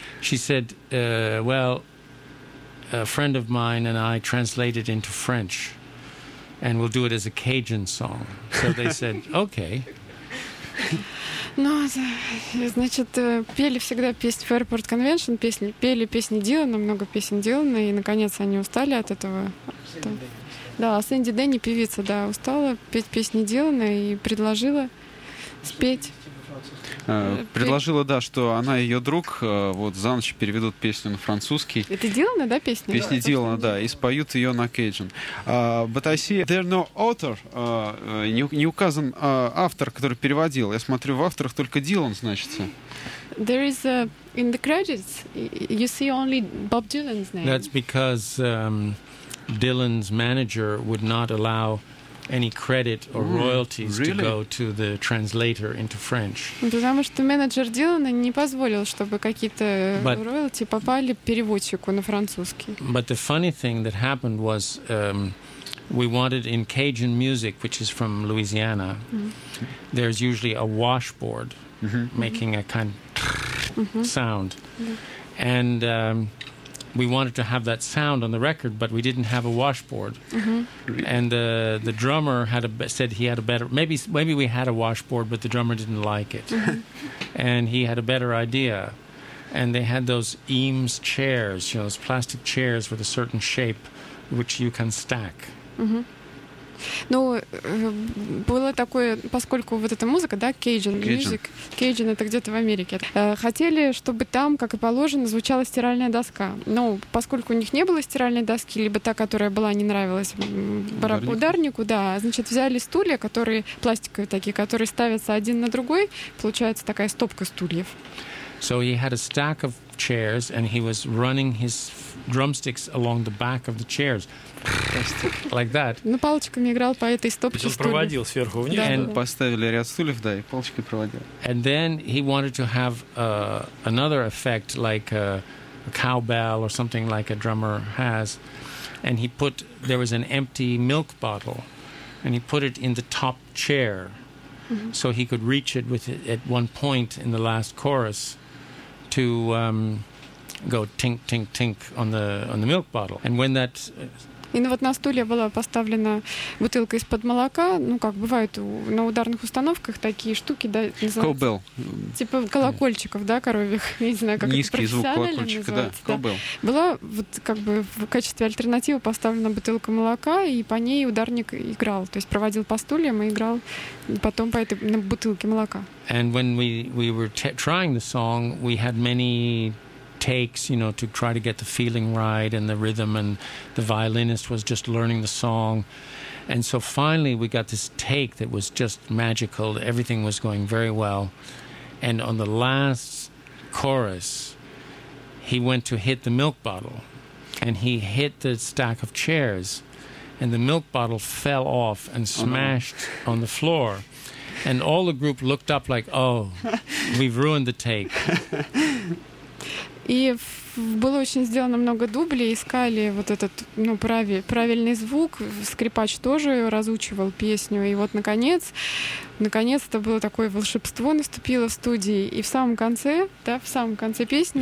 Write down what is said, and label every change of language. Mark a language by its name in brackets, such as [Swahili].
[English] She said, well, a friend of mine and I translated into French, and we'll do it as a Cajun song. So they said, okay. [Russian] Ну, значит, пели всегда песни Fairport Convention, пели песни Дилана, много песен Дилана, и, наконец, они устали от этого. Да, Сэнди Дэнни, певица, да, устала петь песни Дилана и предложила спеть. Предложила, да, что она и ее друг вот за ночь переведут песню на французский. Это Дилана, да, песня? Песня да, Дилана, да, и споют ее на кейджин. [English] But I see there no author, [Russian] не указан автор, который переводил. Я смотрю, в авторах только Дилан значится. [English] There is a, in the credits, you see only Bob Dylan's name. That's because... Dylan's manager would not allow any credit or royalties really? To go to the translator into French. [Russian] Потому что менеджер Дилана не позволил, чтобы какие-то роялти попали переводчику на французский. [English] But the funny thing that happened was we wanted in Cajun music, which is from Louisiana, there's usually a washboard making a kind of sound. Yeah. And we wanted to have that sound on the record, but we didn't have a washboard. Mm-hmm. And the drummer had said he had a better... Maybe we had a washboard, but the drummer didn't like it. Mm-hmm. And he had a better idea. and they had those Eames chairs, you know, those plastic chairs with a certain shape, which you can stack. [Russian] Ну, было такое, поскольку вот эта музыка, да, Cajun music, Cajun это где-то в Америке, хотели, чтобы там, как и положено, звучала стиральная доска. Но поскольку у них не было стиральной доски, либо та, которая была, не нравилась ударнику, да, значит, взяли стулья, которые пластиковые такие, которые ставятся один на другой, получается такая стопка стульев. [English] So he had a stack of chairs, and he was running his drumsticks along the back of the chairs, like that. [Russian] На палочками играл по этой стопке стульев. Он проводил сверху вниз. And поставили ряд стульев, да, и палочки проводил. [English] And then he wanted to have another effect, like a cowbell or something like a drummer has, and he put there was an empty milk bottle, and he put it in the top chair, so he could reach it with it at one point in the last chorus. To go tink tink tink on the milk bottle, and when that. [Russian] И вот на стуле была поставлена бутылка из под молока, ну как бывает на ударных установках такие штуки, да. [English] Cowbell. [Russian] Типа колокольчиков, да, коровьих, не знаю как. Низкий звук колокольчика, да. [English] Cowbell. [Russian] Была вот как бы в качестве альтернативы поставлена бутылка молока, и по ней ударник играл, то есть проводил по стульям и играл потом по этой на бутылке молока. [English] And when we were trying the song, we had many takes, you know, to try to get the feeling right and the rhythm, and the violinist was just learning the song. And so finally we got this take that was just magical. Everything was going very well. And on the last chorus, he went to hit the milk bottle, and he hit the stack of chairs, and the milk bottle fell off and smashed on the floor. And all the group looked up like, oh, we've ruined the take. [Russian] И было очень сделано много дублей, искали вот этот, ну, правильный звук, скрипач тоже разучивал песню, и вот наконец-то было такое волшебство наступило в студии, и в самом конце, да, в самом конце песни